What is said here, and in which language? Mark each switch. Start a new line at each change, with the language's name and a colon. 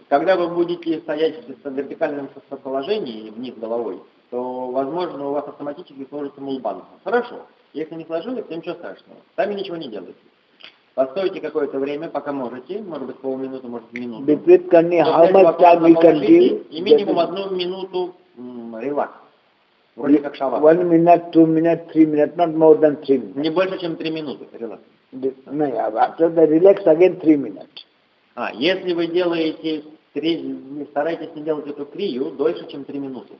Russian: Когда вы будете стоять в вертикальном положении, вниз головой, то, возможно, у вас автоматически сложится мулбанха. Хорошо. Если не сложилось, то ничего страшного. Сами ничего не делайте. Постойте какое-то время, пока можете, может быть полминуты, может минуту.
English: Between Kanni, how much time we can deal?
Russian: И минимум одну минуту релакс. Вроде как шаваса.
English: 1 minute, 2 minutes, 3 minutes, not more than 3 minutes.
Russian: Не больше, чем 3 минуты релакс.
English: No, after the relax again 3 minutes.
Russian: А, если вы делаете стараетесь не делать эту крию дольше, чем 3 минуты.